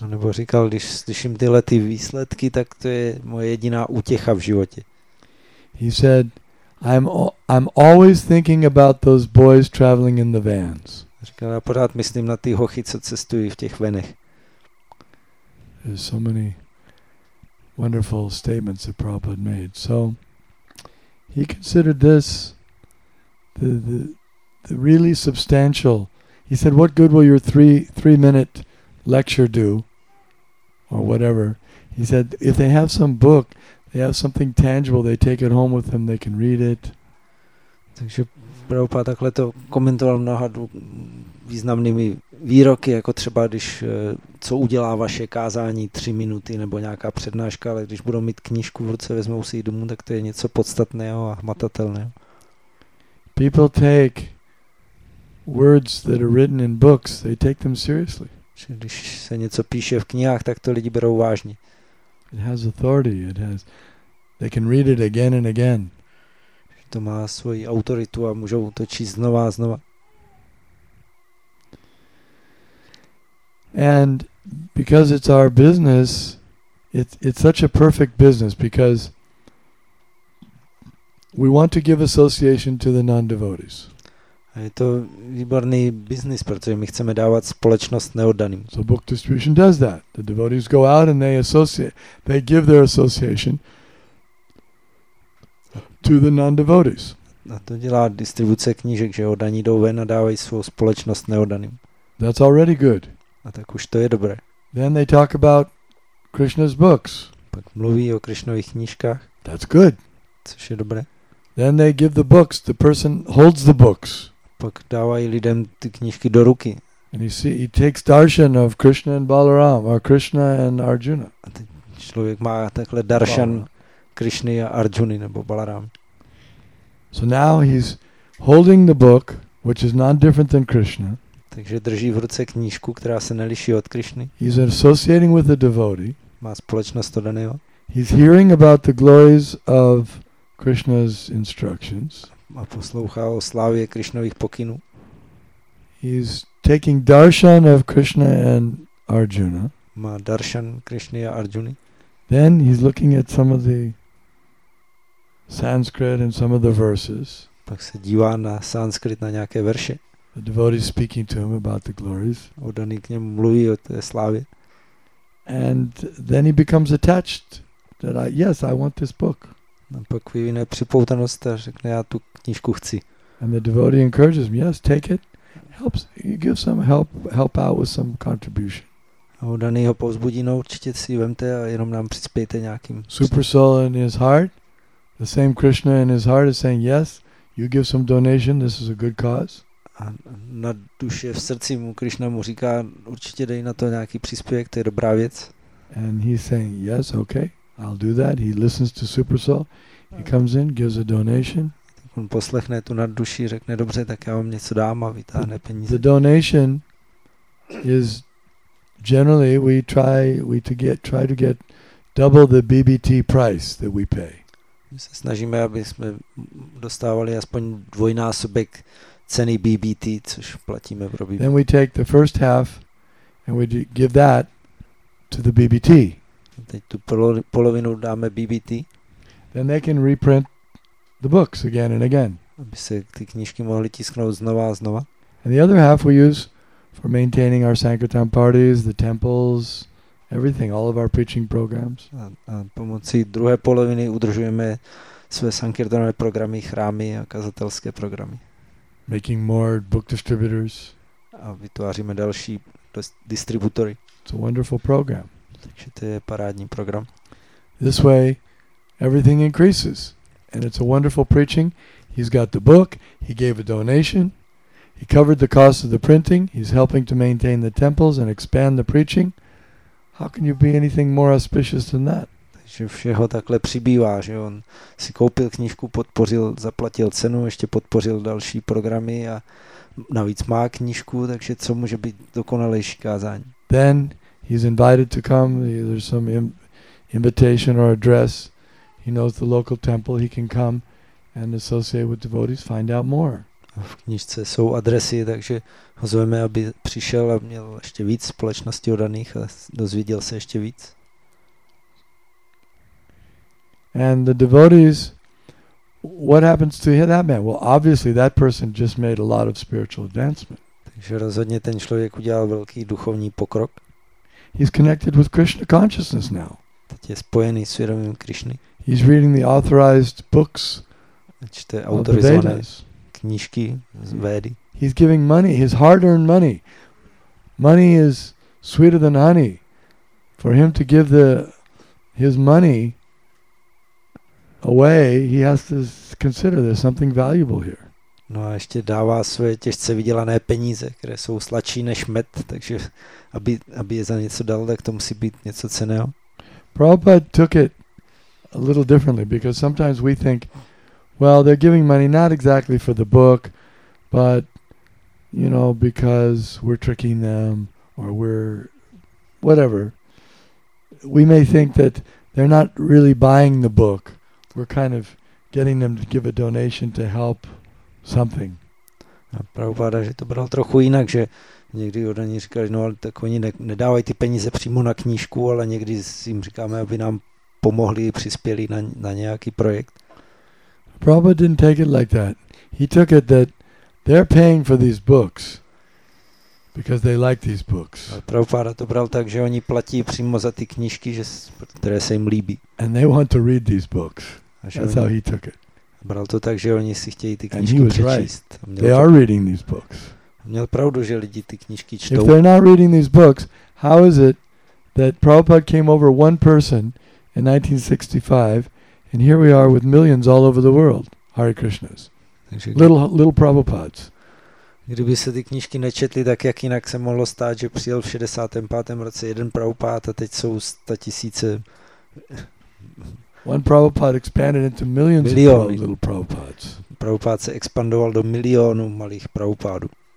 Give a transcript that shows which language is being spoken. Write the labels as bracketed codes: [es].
[cs] No, nebo říkal, když slyším tyhle ty výsledky, tak to je moje jediná útěcha v životě. [en] He said, I'm always thinking about those boys traveling in the vans. [cs] Říkal, já pořád myslím na ty hochy, co cestují v těch venech. [en] There's so many wonderful statements that Prabhupada made. So he considered this the really substantial. He said, what good will your three-minute lecture do? Or whatever. He said, if they have some book, they have something tangible, they take it home with them, they can read it. [cs] Takže Prabhupada takhle to komentoval mnoha významnými výroky, jako třeba když, co udělá vaše kázání 3 minuty nebo nějaká přednáška, ale když budou mít knížku v ruce, vezmou si ji domů, tak to je něco podstatného a hmatatelného. [en] People take words that are written in books, they take them seriously. [cs] Když se něco píše v knihách, tak to lidi berou vážně. [en] It has authority, it has, they can read it again and again. [cs] To má svoji autoritu a můžou to číst znova a znova. [en] And because it's our business, it's such a perfect business because we want to give association to the non-devotees. [cs] A je to výborný business, protože my chceme dávat společnost neoddaným. [en] So book distribution does that. The devotees go out and they associate, they give their association to the non-devotees. [cs] A to dělá distribuce knížek, že oddaní jdou ven a dávají svou společnost neoddaným. [en] That's already good. [cs] A tak už to je dobré. [en] Then they talk about Krishna's books. [cs] Pak mluví o Krishnových knížkách. [en] That's good. [cs] Což je dobré. [en] Then they give the books. The person holds the books. [cs] Pak dávají lidem ty knížky do ruky. [en] And you see, he takes darshan of Krishna and Balaram, or Krishna and Arjuna. [cs] A ten člověk má takhle darshan Krishny a Arjuny nebo Balaram. [en] So now he's holding the book, which is not different than Krishna. [cs] Takže drží v ruce knížku, která se neliší od Krishny. [en] He's associating with the devotee. [cs] Má společnost odaného. [en] He's hearing about the glories of Krishna's instructions. [cs] A poslouchá o slávě Krishnových pokynů. [en] He's taking darshan of Krishna and Arjuna. [cs] Má darshan Krishny a Arjuny. [en] Then he's looking at some of the Sanskrit and some of the verses. [cs] Pak se dívá na sanskrit, na nějaké verše. [en] The devotee is speaking to him about the glories. [cs] Oddaný k němu mluví o té slávě. [en] And then he becomes attached. That I want this book. [cs] A pak vyvine připoutanost a řekne, já tu knížku chci. [en] And the devotee encourages him, yes, take it. Helps. You give some help out with some contribution. [cs] A u daného povzbudí, no určitě si vemte a jenom nám přispějte nějakým. [en] Super soul in his heart. The same Krishna in his heart is saying, yes, you give some donation, this is a good cause. [cs] A na duše v srdci mu Krishna mu říká, určitě dej na to nějaký příspěvek, to je dobrá věc. [en] And he's saying, yes, okay, I'll do that. He listens to Super Soul. He comes in, gives a donation. [cs] On poslechne tu nadduši, řekne, dobře, tak já vám něco dám a vytáhne peníze. [en] The donation is generally we try to get double the BBT price that we pay. [cs] My se snažíme, aby jsme dostávali aspoň dvojnásobek ceny BBT, což platíme pro BBT. [en] Then we take the first half and we give that to the BBT. [cs] Teď tu polovinu dáme BBT. [en] Then they can reprint the books again and again. [cs] Aby se ty knížky mohly tisknout znova a znova. [en] And the other half we use for maintaining our Sankirtan parties, the temples, everything, all of our preaching programs. [cs] A pomocí druhé poloviny udržujeme své sankirtanové programy, chrámy a kazatelské programy. [en] Making more book distributors. [cs] A vytváříme další distributory. [en] It's a wonderful program. [cs] Takže to je parádní program. [en] This way, everything increases. And it's a wonderful preaching. He's got the book. He gave a donation. He covered the cost of the printing. He's helping to maintain the temples and expand the preaching. How can you be anything more auspicious than that? [cs] Takže všeho takhle přibývá, že on si koupil knížku, podpořil, zaplatil cenu, ještě podpořil další programy a navíc má knížku, takže co může být dokonalejší kázání? [en] Then he's invited to come. There's some invitation or address. He knows the local temple. He can come and associate with devotees, find out more. [cs] V knižce jsou adresy, takže ho zveme, aby přišel a měl ještě víc společností odaných a dozvěděl se ještě víc. [en] And the devotees, what happens to that man? Well, obviously that person just made a lot of spiritual advancement. [cs] Takže rozhodně ten člověk udělal velký duchovní pokrok. [en] He's connected with Krishna consciousness now. [cs] Teď je spojený s vědomím Krishny. [en] He's reading the authorized books. [cs] Čte autorizované knížky z Védy. [en] He's giving money, his hard-earned money. Money is sweeter than honey. For him to give his money away, he has to consider there's something valuable here. [cs] No a ještě dává své těžce vydělané peníze, které jsou slačí než med, takže aby je za něco dal, tak to musí být něco cenného. [en] Prabhupada took it a little differently because sometimes we think, well, they're giving money not exactly for the book, but, you know, because we're tricking them or we're whatever. We may think that they're not really buying the book. We're kind of getting them to give a donation to help something. [cs] A Prabhupada, že to bral trochu jinak, že někdy od něj říkali, no ale tak oni nedávají ty peníze přímo na knížku, ale někdy jim říkáme, aby nám pomohli, přispěli na nějaký projekt. [en] Prabhupada didn't take it like that. He took it that they're paying for these books because they like these books. [cs] A Prabhupada to bral tak, že oni platí přímo za ty knížky, které se jim líbí. [en] And they want to read these books. That's how he took it. [cs] Bral to tak, že oni si chtějí ty knížky přečíst. [en] Right. They are reading these books. [cs] Měl pravdu, že lidi ty knížky čtou. [en] If they're not reading these books, how is it that Prabhupada came over one person in 1965 and here we are with millions all over the world, Hare Krishnas. Little Prabhupads. [cs] Kdyby se ty knížky nečetly, tak jak jinak se mohlo stát, že přijel v 65. roce jeden Prabhupád a teď jsou 100 tisíce... [en] One Prabhupada expanded into millions Milion. Of little Prabhupads. [cs] Prabhupada se expandoval do milionů malých Prabhupádů.